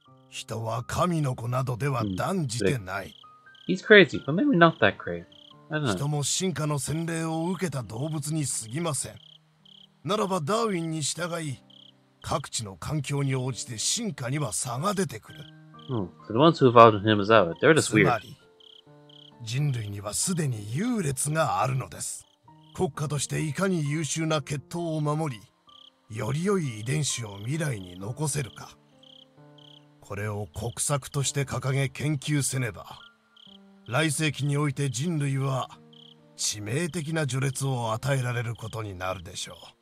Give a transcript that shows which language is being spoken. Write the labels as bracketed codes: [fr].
[ja] 人は神の子などでは断じてない。 [en] He's crazy, but maybe not that crazy. [ja] 人も進化の洗礼を受けた動物に過ぎません。ならばダーウィンに従い。各地の環境に応じて進化には差が出てくる。 [en] The ones who evolved in him as that, they're just weird. [ja] つまり、人類にはすでに優劣があるのです。国家としていかに優秀な血統を守り、より良い遺伝子を未来に残せるか。これを国策として掲げ研究せねば、来世紀において人類は致命的な序列を与えられることになるでしょう。